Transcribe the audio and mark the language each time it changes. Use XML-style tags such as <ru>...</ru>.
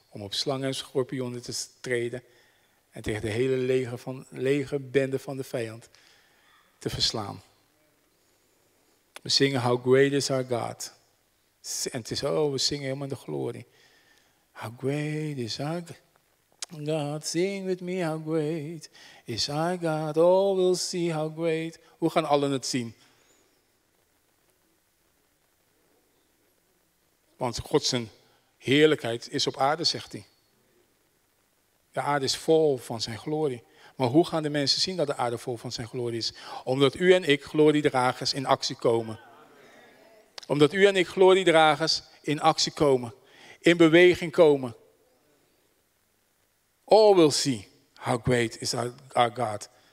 <nl>Om op slangen en schorpioenen te treden en tegen de hele legerbende van de vijand te verslaan. We zingen How Great Is Our God. En het is, we zingen helemaal in de glorie.</nl> <en>How great is our God. Sing with me, how great is our God. All will see how great.</en> <nl>Hoe gaan allen het zien? Want Gods heerlijkheid is op aarde, zegt hij. De aarde is vol van zijn glorie. Maar hoe gaan de mensen zien dat de aarde vol van zijn glorie is? Omdat u en ik, gloriedragers, in actie komen. Omdat u en ik, gloriedragers, in actie komen. In beweging komen.</nl> <en>All will see how great is our God.</en>